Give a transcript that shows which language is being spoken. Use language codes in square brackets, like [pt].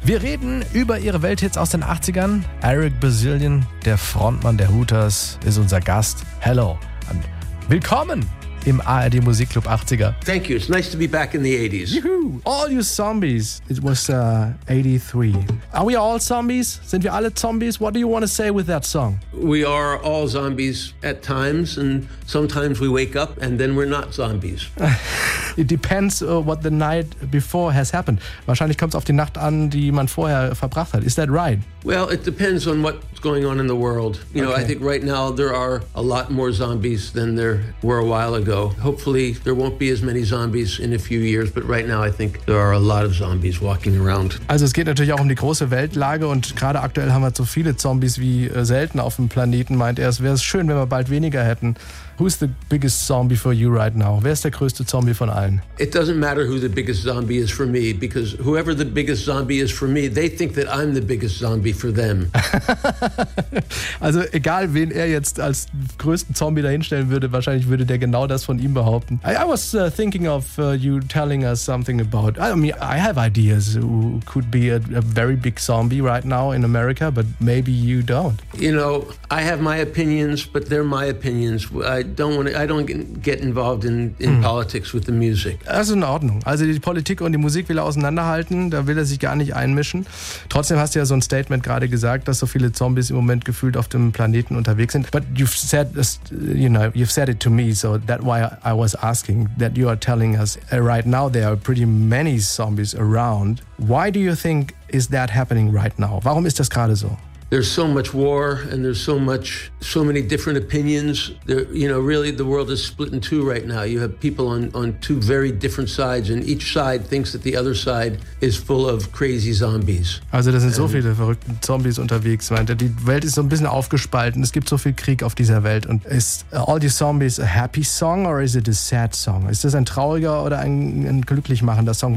[de] Wir reden über ihre Welthits aus den 80ern. Eric Bazilian, der Frontmann der Hooters, ist unser Gast. Hello und willkommen im ARD Musikclub 80er. [en] Thank you. It's nice to be back in the 80s. Juhu. All you zombies. It was 83. Are we all zombies? [de] Sind wir alle zombies? [en] What do you want to say with that song? We are all zombies at times, and sometimes we wake up and then we're not zombies. It depends what the night before has happened. [de] Wahrscheinlich kommt es auf die Nacht an, die man vorher verbracht hat. [en] Is that right? Well, it depends on what's going on in the world. You know, I think right now there are a lot more zombies than there were a while ago. Hopefully there won't be as many zombies in a few years, but right now I think there are a lot of zombies walking around. [de] Also es geht natürlich auch um die große Weltlage und gerade aktuell haben wir so viele Zombies wie selten auf dem Planeten, meint er. Es wäre schön, wenn wir bald weniger hätten. [en] Who's the biggest zombie for you right now? [de] Wer ist der größte Zombie von allen? [en] It doesn't matter who the biggest zombie is for me, because whoever the biggest zombie is for me, they think that I'm the biggest zombie for them. [de] Also egal, wen er jetzt als größten Zombie dahinstellen würde, wahrscheinlich würde der genau das von ihm behaupten. [en] I was thinking of you telling us something about... I mean, I have ideas who could be a very big zombie right now in America, but maybe you don't. You know, I have my opinions, but they're my opinions. I don't get involved in politics with the music. [de] Das ist in Ordnung. Also die Politik und die Musik will er auseinanderhalten, da will er sich gar nicht einmischen. Trotzdem hast du ja so ein Statement gerade gesagt, dass so viele Zombies im Moment gefühlt auf dem Planeten unterwegs sind. [en] But you've said it to me, so that's why I was asking, that you are telling us right now there are pretty many zombies around. Why do you think is that happening right now? [de] Warum ist das gerade so? [en] There's so much war and there's so many different opinions. Really the world is split in two right now. You have people on two very different sides and each side thinks that the other side is full of crazy zombies. [de] Also da sind so viele verrückte Zombies unterwegs, meint er. Die Welt ist so ein bisschen aufgespalten. Es gibt so viel Krieg auf dieser Welt. Und ist All These Zombies [en] a happy song or is it a sad song? [de] Ist das ein trauriger oder ein glücklich machender Song?